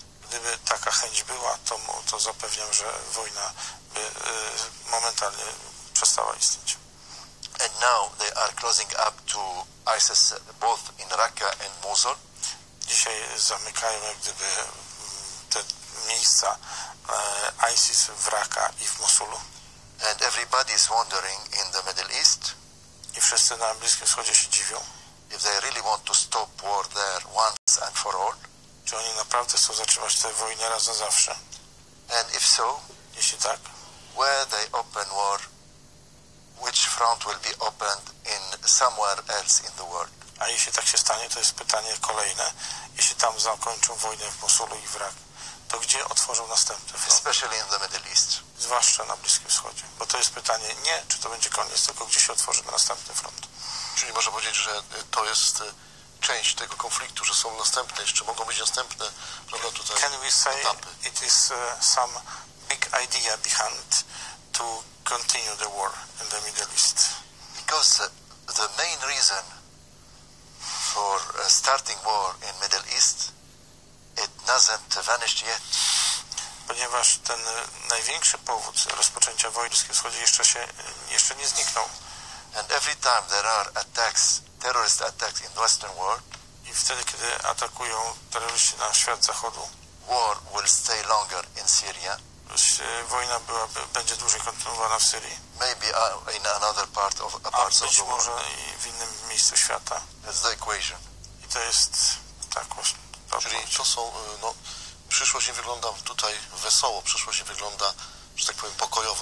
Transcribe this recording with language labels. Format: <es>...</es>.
<pl>Gdyby taka chęć była, to zapewniam, że wojna by momentalnie przestała istnieć.</pl> <en>And now they are closing up to ISIS both in Raqqa and Mosul.</en> <pl>Dzisiaj zamykają jak gdyby te miejsca ISIS w Raqqa i w Mosulu.</pl> <en>And everybody is wondering in the Middle East.</en> <pl>I wszyscy na Bliskim Wschodzie się dziwią.</pl> <en>If they really want to stop war there once and for all.</en> <pl>Czy oni naprawdę chcą zatrzymać tę wojnę raz na zawsze?</pl> <en>And if so,</en> <pl>jeśli tak,</pl> <en>where they open war, which front will be opened in somewhere else in the world?</en> <pl>A jeśli tak się stanie, to jest pytanie kolejne. Jeśli tam zakończą wojnę w Mosulu i w Raqqa, to gdzie otworzą następny front?</pl> <en>Especially in the Middle East.</en> <pl>Zwłaszcza na Bliskim Wschodzie. Bo to jest pytanie nie, czy to będzie koniec, tylko gdzie się otworzy następny front. Czyli można powiedzieć, że to jest część tego konfliktu, że są następne, jeszcze mogą być następne, prawda, tutaj etapy.</pl> <en>Can we say it is some big idea behind to continue the war in the Middle East? Because the main reason for starting war in Middle East, it doesn't vanish yet.</en> <pl>Ponieważ ten największy powód rozpoczęcia wojny w Bliskim Wschodzie jeszcze nie zniknął.</pl> <en>And every time there are attacks, terrorist attacks in the Western world,</en> <pl>i wtedy, kiedy atakują terroryści na świat zachodu,</pl> <en>war will stay longer in Syria.</en> <pl>Wojna będzie dłużej kontynuowana w Syrii.</pl> <en>Maybe in another part of a part of the world.</en> <pl>A być może i w innym miejscu świata.</pl> <en>That's the equation.</en> <pl>I to jest tak właśnie. Czyli to są, no, przyszłość nie wygląda tutaj wesoło, przyszłość nie wygląda, że tak powiem, pokojowo.</pl>